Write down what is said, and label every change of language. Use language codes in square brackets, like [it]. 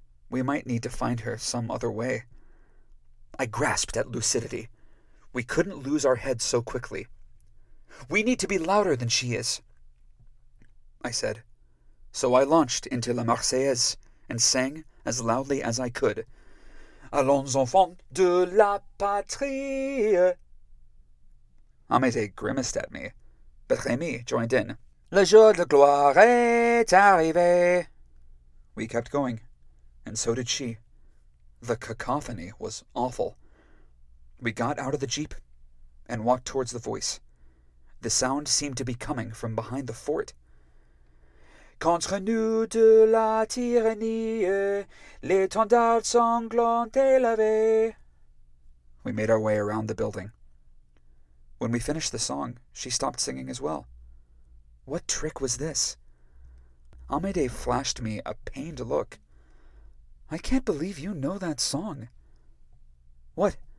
[en] We might need to find her some other way. I grasped at lucidity. We couldn't lose our heads so quickly. We need to be louder than she is, I said. So I launched into La Marseillaise and sang as loudly as I could. [fr] Allons enfants de la patrie. [en] Amédée grimaced at me. But Rémy joined in. [fr] Le jour de gloire est arrivé. [en] We kept going, and so did she. The cacophony was awful. We got out of the jeep and walked towards the voice. The sound seemed to be coming from behind the fort. [fr] Contre nous de la tyrannie, l'étendard sanglant est lavé. [en] We made our way around the building. When we finished the song, she stopped singing as well. What trick was this? Amédée flashed me a pained look. I can't believe you know that song. What?